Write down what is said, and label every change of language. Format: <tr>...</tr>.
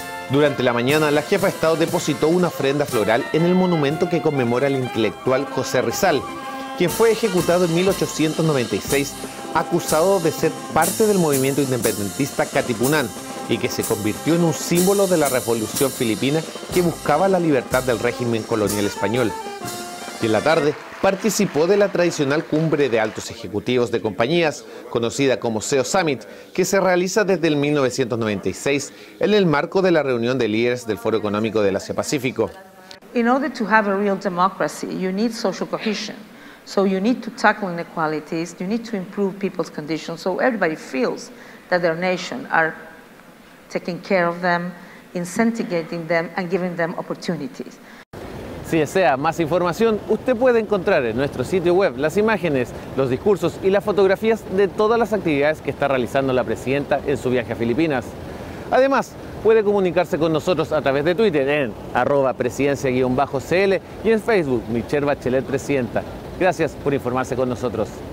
<es>Durante la mañana, la jefa de Estado depositó una ofrenda floral en el monumento que conmemora al intelectual José Rizal, quien fue ejecutado en 1896, acusado de ser parte del movimiento independentista Katipunan y que se convirtió en un símbolo de la revolución filipina que buscaba la libertad del régimen colonial español. Y en la tarde, participó de la tradicional cumbre de altos ejecutivos de compañías, conocida como CEO Summit, que se realiza desde el 1996 en el marco de la reunión de líderes del Foro Económico del Asia Pacífico.</es> <en>In order to have a real democracy, you need social cohesion. So you need to tackle inequalities, you need to improve people's conditions so everybody feels that their nation are taking care of them, incentivizing them and giving them opportunities.</en> <es>Si desea más información, usted puede encontrar en nuestro sitio web las imágenes, los discursos y las fotografías de todas las actividades que está realizando la presidenta en su viaje a Filipinas. Además, puede comunicarse con nosotros a través de Twitter en @presidencia_cl y en Facebook, Michelle Bachelet Presidenta. Gracias por informarse con nosotros.</es>